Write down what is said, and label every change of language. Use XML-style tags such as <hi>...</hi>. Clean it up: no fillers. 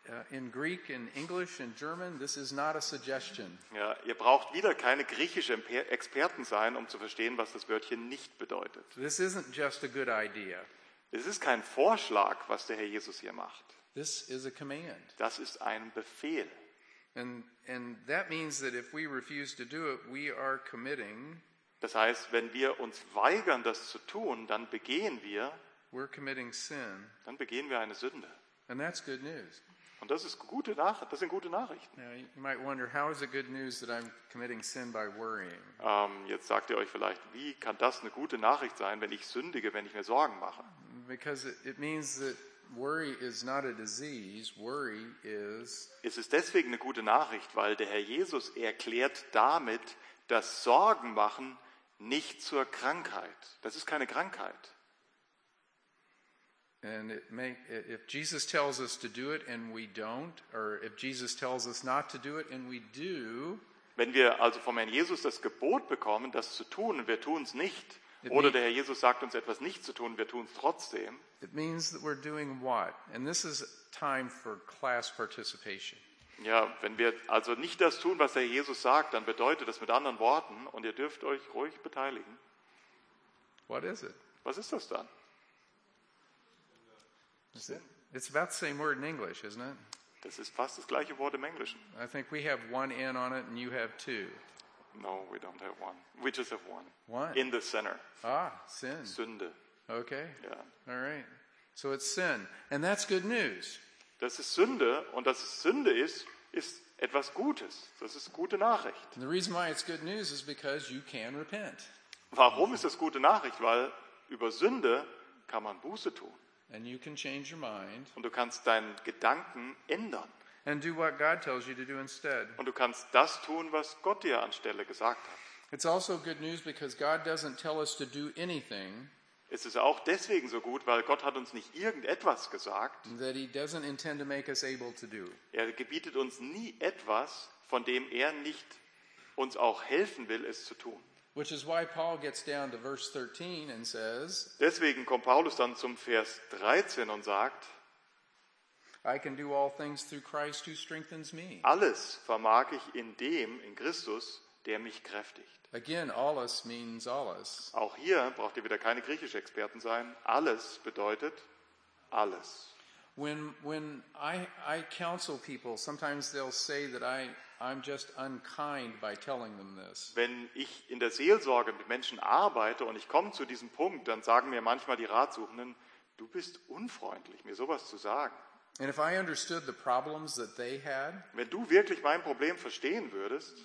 <en>In Greek and English and German this is not a suggestion.</en> <de>Ja, ihr braucht wieder keine griechische Experten sein, um zu verstehen, was das Wörtchen nicht bedeutet.</de> <en>This isn't just a good idea.</en> <de>Es ist kein Vorschlag, was der Herr Jesus hier macht.</de> <en>This is a command.</en> <de>Das ist ein Befehl.</de> <en>And that means that if we refuse to do it, we are committing.</en> <de>Das heißt, wenn wir uns weigern, das zu tun, dann begehen wir.</de> <en>We're committing sin.</en> <de>Dann begehen wir eine Sünde.</de> <en>And that's good news.</en> <de>Und das ist gute Nachricht. Das sind gute Nachrichten.</de> <en>Now you might wonder, how is it good news that I'm committing sin by worrying?</en> <de>Jetzt sagt ihr euch vielleicht, wie kann das eine gute Nachricht sein, wenn ich sündige, wenn ich mir Sorgen mache?</de> <en>Because it means that worry is not a disease. Worry is.</en> <de>Es ist deswegen eine gute Nachricht, weil der Herr Jesus erklärt damit, dass Sorgen machen nicht zur Krankheit. Das ist keine Krankheit.</de> <en>And if Jesus tells us to do it and we don't, or if Jesus tells us not to do it and we do.</en> <de>Wenn wir also vom Herrn Jesus das Gebot bekommen, das zu tun, und wir tun es nicht. Oder der Herr Jesus sagt uns etwas nicht zu tun, wir tun es trotzdem.</de> <en>It means that we're doing what? And this is time for class participation.</en> <de>Ja, wenn wir also nicht das tun, was der Herr Jesus sagt, dann bedeutet das mit anderen Worten, und ihr dürft euch ruhig beteiligen.</de> <en>What is it?</en> <de>Was ist das dann?</de> <en>It's about the same word in English, isn't it?</en> <de>Das ist fast das gleiche Wort im Englischen.</de> <en>I think we have one in on it and you have two. No, we don't have one. We just have one. One. In the center. Ah, sin.</en> <de>Sünde.</de> <en>Okay. Yeah. All right. So it's sin. And that's good news.</en> <de>Das ist Sünde, und dass es Sünde ist, ist etwas Gutes. Das ist gute Nachricht.</de> <en>And the reason why it's good news is because you can repent.</en> <de>Warum ist das gute Nachricht? Weil über Sünde kann man Buße tun.</de> <en>And you can change your mind.</en> <de>Und du kannst deinen Gedanken ändern.</de> <en>And do what God tells you to do instead.</en> <de>Und du kannst das tun, was Gott dir anstelle gesagt hat.</de> <en>It's also good news because God doesn't tell us to do anything.</en> <de>Es ist auch deswegen so gut, weil Gott hat uns nicht irgendetwas gesagt.</de> <en>That he doesn't intend to make us able to do.</en> <de>Er gebietet uns nie etwas, von dem er nicht uns auch helfen will, es zu tun.</de> <en>Which is why Paul gets down to verse 13 and says.</en> <de>Deswegen kommt Paulus dann zum Vers 13 und sagt.</de> <en>I can do all things through Christ who strengthens me.</en> <de>Alles vermag ich in dem, in Christus, der mich kräftigt.</de> <en>Again, alles means alles.</en> <de>Auch hier braucht ihr wieder keine griechischen Experten sein. Alles bedeutet alles.</de> <en>When I counsel people, sometimes they'll say that I'm just unkind by telling them this.</en> <de>Wenn ich in der Seelsorge mit Menschen arbeite und ich komme zu diesem Punkt, dann sagen mir manchmal die Ratsuchenden, du bist unfreundlich, mir sowas zu sagen.</de> <en>And if I understood the problems that they had,</en> <de>wenn du wirklich mein Problem verstehen würdest,</de>